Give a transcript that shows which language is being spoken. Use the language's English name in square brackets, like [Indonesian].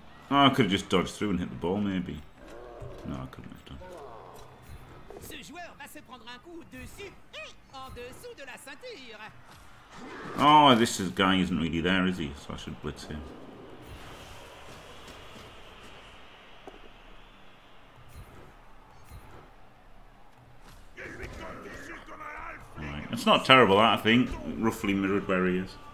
[English] Oh, I could have just dodged through and hit the ball, maybe. No, I couldn't have done. [French] Ce joueur va se prendre un coup dessus et en dessous de la ceinture. [English] Oh, this guy isn't really there, is he? So I should blitz him. Right. It's not terrible, that, I think. Roughly mirrored where he is.